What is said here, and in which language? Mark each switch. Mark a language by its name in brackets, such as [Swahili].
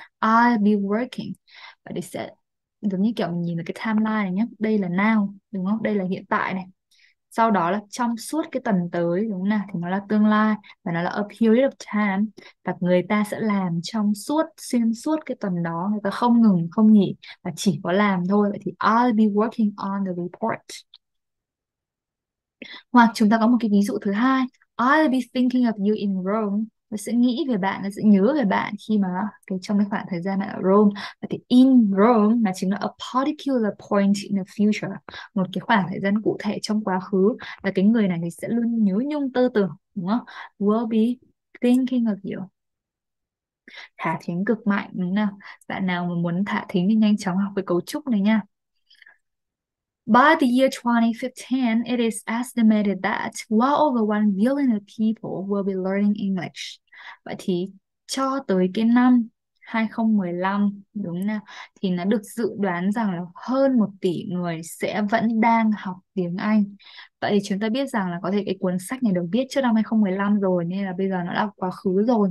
[English] I'll be working. [Vietnamese] Và đây sẽ giống như kiểu mình nhìn vào cái timeline này nhé. Đây là now, đúng không? Đây là hiện tại này. Sau đó là trong suốt cái tuần tới, đúng không nào? Thì nó là tương lai và nó là [English] a period of time, [Vietnamese] và người ta sẽ làm trong suốt, xuyên suốt cái tuần đó, người ta không ngừng, không nghỉ và chỉ có làm thôi. Vậy thì [English] I'll be working on the report. [Vietnamese] Hoặc chúng ta có một cái ví dụ thứ hai. [English] I'll be thinking of you in Rome. [Vietnamese] Nó sẽ nghĩ về bạn, nó sẽ nhớ về bạn khi mà cái trong cái khoảng thời gian bạn ở Rome. Và thì in Rome nó chính là [English] a particular point in the future, [Vietnamese] một cái khoảng thời gian cụ thể trong quá khứ, là cái người này thì sẽ luôn nhớ nhung tư tưởng, đúng không? [English] Will be thinking of you. [Vietnamese] Thả thính cực mạnh, đúng không nào? Bạn nào mà muốn thả thính thì nhanh chóng học về cấu trúc này nha. [English] By the year 2015, it is estimated that well over 1 billion of people will be learning English. [Vietnamese] Vậy thì cho tới cái năm 2015, đúng không nào? Thì nó được dự đoán rằng là hơn 1 tỷ người sẽ vẫn đang học tiếng Anh. Vậy thì chúng ta biết rằng là có thể cái cuốn sách này được viết trước năm 2015 rồi, nên là bây giờ nó đã quá khứ rồi.